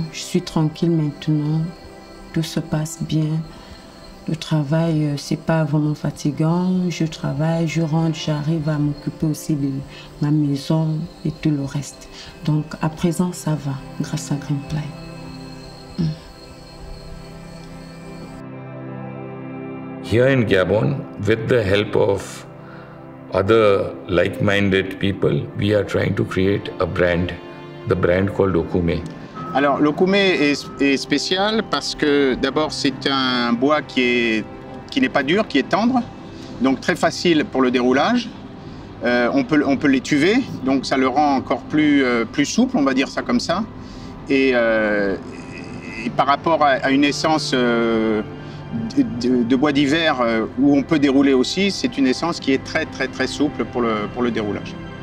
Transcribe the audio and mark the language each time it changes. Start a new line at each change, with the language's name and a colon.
French: Je suis tranquille maintenant. Tout se passe bien. Le travail, c'est pas vraiment fatigant. Je travaille, je rentre, j'arrive à m'occuper aussi de ma maison et tout le reste. Donc, à présent, ça va, grâce à Greenply.
English: Here in Gabon, with the help of other like-minded people, we are trying to create a brand, the brand called Okume.
French: Alors, l'okume est spécial parce que d'abord, c'est un bois qui n'est pas dur, qui est tendre, donc très facile pour le déroulage. On peut l'étuver, donc ça le rend encore plus souple, on va dire ça comme ça. Et par rapport à une essence de bois d'hiver où on peut dérouler aussi, c'est une essence qui est très, très, très souple pour le déroulage.